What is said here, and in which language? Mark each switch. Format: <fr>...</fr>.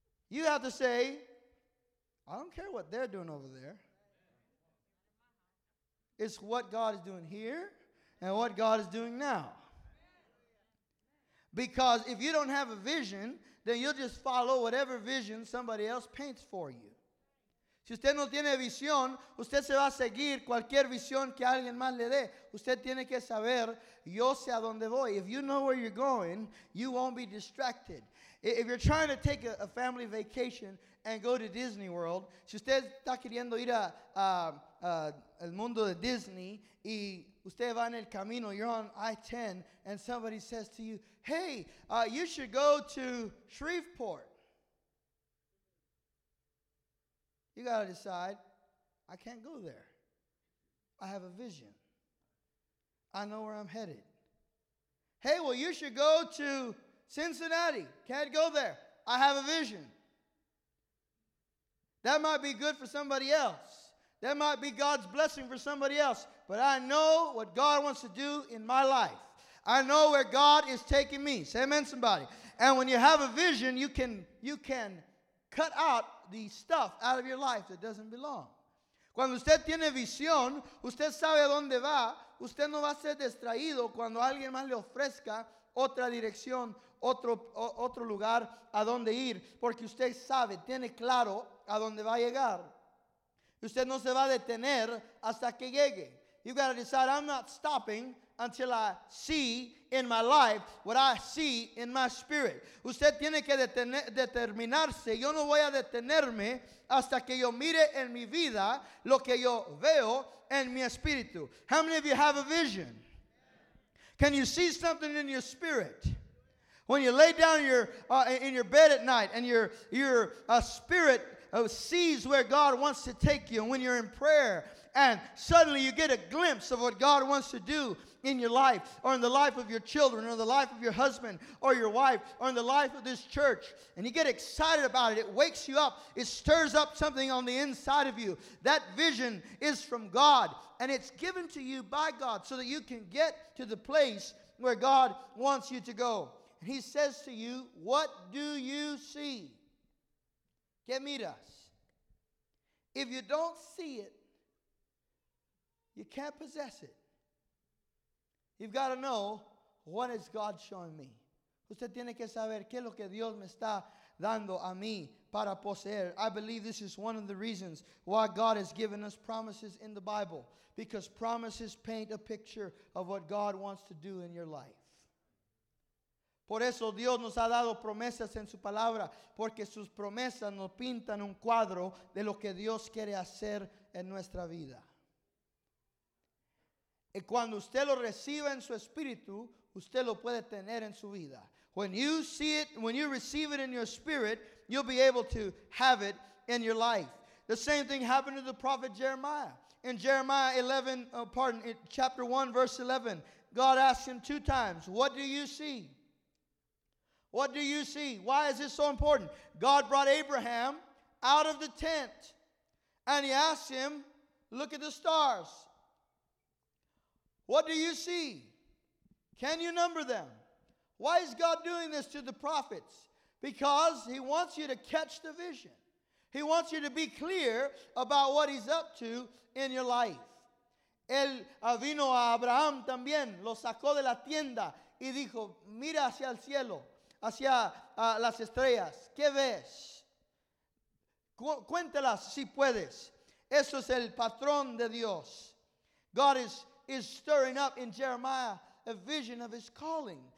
<en>You have to say, I don't care what they're doing over there. It's what God is doing here and what God is doing now. Because if you don't have a vision, then you'll just follow whatever vision somebody else paints for you.</en> <es>Si usted no tiene visión, usted se va a seguir cualquier visión que alguien más le dé. Usted tiene que saber, yo sé a dónde voy.</es> <en>If you know where you're going, you won't be distracted. If you're trying to take a family vacation and go to Disney World,</en> <es>si usted está queriendo ir al mundo de Disney y usted va en el camino,</es> <en>you're on I-10, and somebody says to you, hey, you should go to Shreveport. You got to decide, I can't go there. I have a vision. I know where I'm headed. Hey, well, you should go to Cincinnati. Can't go there. I have a vision. That might be good for somebody else. That might be God's blessing for somebody else. But I know what God wants to do in my life. I know where God is taking me. Say amen, somebody. And when you have a vision, you can cut out the stuff out of your life that doesn't belong.</en> <es>Cuando usted tiene visión, usted sabe a dónde va. Usted no va a ser distraído cuando alguien más le ofrezca otra dirección, otro lugar a dónde ir. Porque usted sabe, tiene claro a dónde va a llegar. Usted no se va a detener hasta que llegue.</es> <en>You've got to decide, I'm not stopping until I see in my life what I see in my spirit.</en> <es>Usted tiene que determinarse. Yo no voy a detenerme hasta que yo mire en mi vida lo que yo veo en mi espíritu.</es> <en>How many of you have a vision? Can you see something in your spirit? When you lay down in your bed at night and your spirit sees where God wants to take you, and when you're in prayer and suddenly you get a glimpse of what God wants to do in your life, or in the life of your children, or the life of your husband or your wife, or in the life of this church, and you get excited about it, it wakes you up, it stirs up something on the inside of you. That vision is from God, and it's given to you by God so that you can get to the place where God wants you to go. And He says to you, what do you see?</en> <es>¿Qué miras?</es> <en>If you don't see it, you can't possess it. You've got to know, what is God showing me?</en> <es>Usted tiene que saber qué es lo que Dios me está dando a mí para poseer.</es> <en>I believe this is one of the reasons why God has given us promises in the Bible. Because promises paint a picture of what God wants to do in your life.</en> <es>Por eso Dios nos ha dado promesas en su palabra. Porque sus promesas nos pintan un cuadro de lo que Dios quiere hacer en nuestra vida. Y cuando usted lo reciba en su espíritu, usted lo puede tener en su vida.</es> <en>When you see it, when you receive it in your spirit, you'll be able to have it in your life. The same thing happened to the prophet Jeremiah. In chapter 1, verse 11, God asked him two times, what do you see? What do you see? Why is this so important? God brought Abraham out of the tent, and he asked him, look at the stars. What do you see? Can you number them? Why is God doing this to the prophets? Because He wants you to catch the vision. He wants you to be clear about what He's up to in your life.</en> <es>Él vino a Abraham también, lo sacó de la tienda y dijo, mira hacia el cielo, hacia las estrellas. ¿Qué ves? Cuéntelas si puedes. Eso es el patrón de Dios.</es> <en>God is stirring up in Jeremiah a vision of His calling.</en>